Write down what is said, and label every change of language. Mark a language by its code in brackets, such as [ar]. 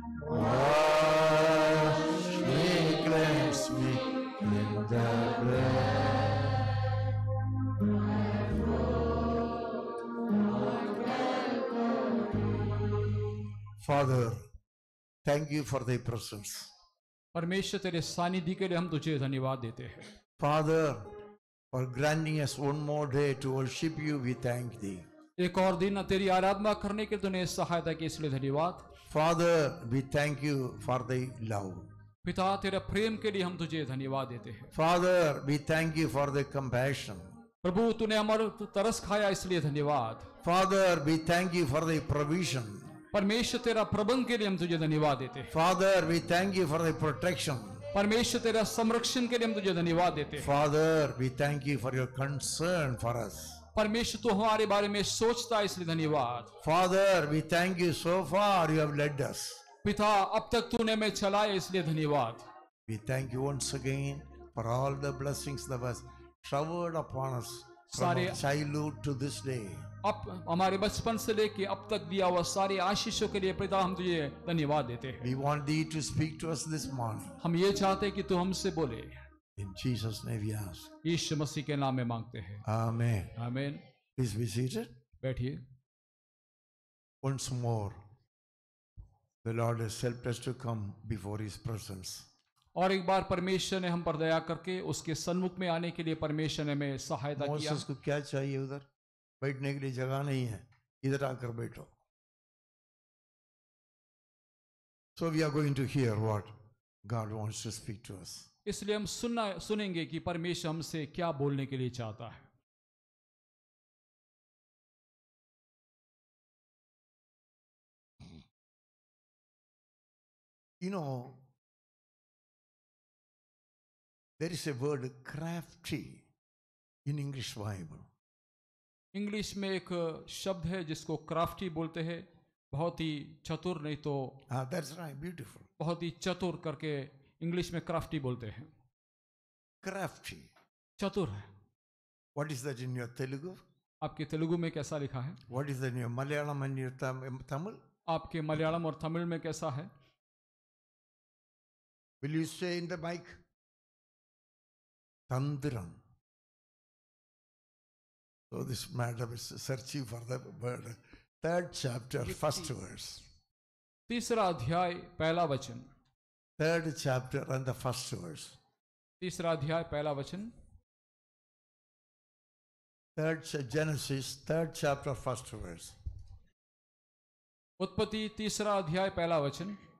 [en] Wash me, cleanse me in the blood. Father, thank you for thy presence. [hi] परमेश्वर तेरे सानिध्य के लिए हम तुझे धन्यवाद देते हैं. [en] Father, for granting us one more day to worship you, we thank thee. [hi] एक और दिन तेरी आराधना करने के तूने सहायता की, इसलिए धन्यवाद. [en] Father, we thank you for thy love. [hi] पिता, तेरे प्रेम के लिए हम तुझे धन्यवाद देते हैं. [en] Father, we thank you for the compassion. [hi] प्रभु, तूने हमारा तरस खाया, इसलिए धन्यवाद. [en] Father, we thank you for thy provision. [hi] परमेश्वर, तेरा प्रबंध के लिए हम तुझे धन्यवाद देते हैं. [en] Father, we thank you for the protection. [hi] परमेश्वर, तेरा संरक्षण के लिए हम तुझे धन्यवाद देते हैं. [en] Father, we thank you for your concern for us. [hi] परमेश्वर, तू हमारे बारे में सोचता है, इसलिए धन्यवाद. [en] Father, we thank you so far you have led us. [hi] पिता, अब तक तूने हमें चलाया, इसलिए धन्यवाद. [en] We thank you once again for all the blessings that was showered upon us from childhood to this day. [hi] अब हमारे बचपन से लेके अब तक दिया हुआ सारे आशीषों के लिए पिता, हम तुझे धन्यवाद देते हैं. [en] We want thee to speak to us this morning. [hi] हम ये चाहते हैं कि तू हमसे बोले. [en] In Jesus' name we ask. [hi] यीशु मसीह के नाम में मांगते हैं. [en] Amen. Amen. Please be seated. [hi] बैठिए. [en] Once more, the Lord has helped us to come before His presence. [hi] और एक बार परमेश्वर ने हम पर दया करके उसके सन्मुख में आने के लिए परमेश्वर ने हमें सहायता किया. मोसेस को क्या चाहिए, उधर बैठने के लिए जगह नहीं है, इधर आकर बैठो. [en] So we are going to hear what God wants to speak to us. [hi] इसलिए हम सुनेंगे कि परमेश्वर हमसे क्या बोलने के लिए चाहता है. [en] You know, there is a word crafty in English Bible. [hi] English में एक शब्द है जिसको क्राफ्टी बोलते हैं, बहुत ही चतुर, नहीं तो [en] that's right, beautiful, [hi] बहुत ही चतुर करके इंग्लिश में क्राफ्टी बोलते हैं. [en] crafty [hi] चतुर है. [en] What is that in your Telugu? [hi] आपके तेलुगु में कैसा लिखा है? [en] What is the new Malayalam and your Tamil? [hi] आपके मलयालम और तमिल में कैसा है? [en] Will you say in the mic? [ta] Tandiram. [en] So this madam is searching for the word. Third chapter, first verse. [hi] तीसरा अध्याय पहला वचन. [en] Third chapter and the first verse. [hi] तीसरा अध्याय पहला वचन. [en] Third Genesis, third chapter, first verse. [hi] उत्पत्ति तीसरा अध्याय पहला वचन.